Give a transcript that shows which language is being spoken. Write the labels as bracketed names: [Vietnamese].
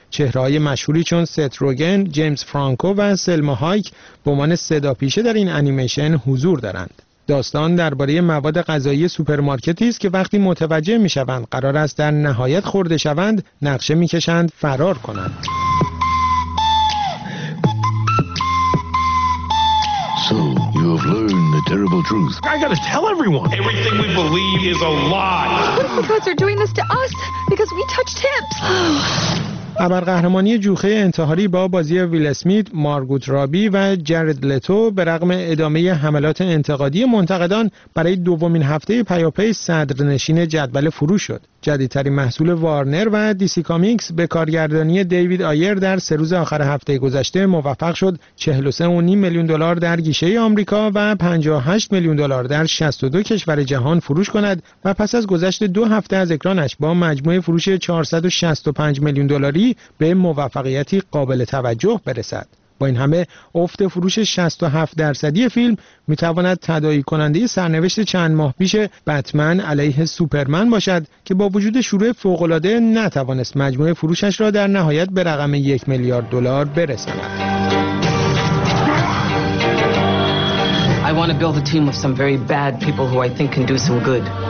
[Persian] چهره‌های مشهوری چون ست روگن، جیمز فرانکو و سلما هایک به عنوان صداپیشه در این انیمیشن حضور دارند. داستان درباره مواد غذایی سوپرمارکتی است که وقتی متوجه می‌شوند قرار است در نهایت خورده شوند، نقشه می‌کشند فرار کنند. [English] So you have learned the terrible truth. I got to tell everyone. Everything we believe is a lie. What if the gods are doing this to us because we touched tips? [Persian] ابرقهرمانی جوخه انتحاری با بازی ویل اسمیت، مارگوت رابی و جارد لتو به رغم ادامه حملات انتقادی منتقدان برای دومین هفته پیاپی صدرنشین جدول فروش شد. جدیدترین محصول وارنر و دیسی کامیکس به کارگردانی دیوید آیر در سه روز آخر هفته گذشته موفق شد 43.5 میلیون دلار در گیشه آمریکا و 58 میلیون دلار در 62 کشور جهان فروش کند و پس از گذشت دو هفته از اکرانش با مجموعه فروش 465 میلیون دلاری به موفقیتی قابل توجه برسد. با این همه افت فروش 67% فیلم میتواند تداعی کننده سرنوشت چند ماه پیش بتمن علیه سوپرمن باشد که با وجود شروع فوق‌العاده نتوانست مجموعه فروشش را در نهایت به رقم 1 میلیارد دلار برساند. [English] I want to build a team of some very bad people who I think can do some good.